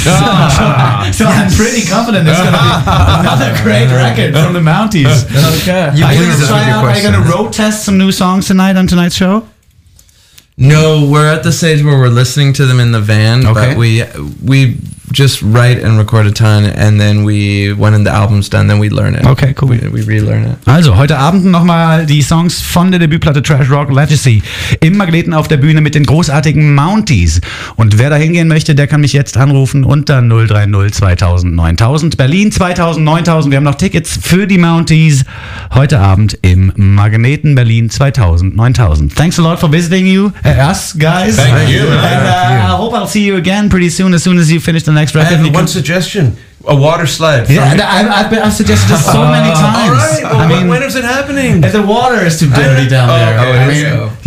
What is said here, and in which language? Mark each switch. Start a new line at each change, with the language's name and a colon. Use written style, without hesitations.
English: I'm pretty confident it's going to be another great record from the Mounties. Are you going to road test some new songs tonight on tonight's show? No, we're at the stage where we're listening to them in the van, but we just write and record a ton, and then when the album's done, then we learn it. Okay, cool. We relearn it.
German: Also, heute Abend nochmal die Songs von der Debütplatte Trash Rock Legacy im Magneten auf der Bühne mit den großartigen Mounties. Und wer da hingehen möchte, der kann mich jetzt anrufen unter 030 2000 9000 Berlin 2000 9000. Wir haben noch Tickets für die Mounties heute Abend im Magneten Berlin 2000 9000.
English: Thanks a lot for visiting you, us guys. Thank you. And I hope I'll see you again pretty soon as you finish the next record. I have one suggestion: a water sled. I've suggested this so many times. All right, well, when is it happening? If the water is too dirty down there. Oh, right?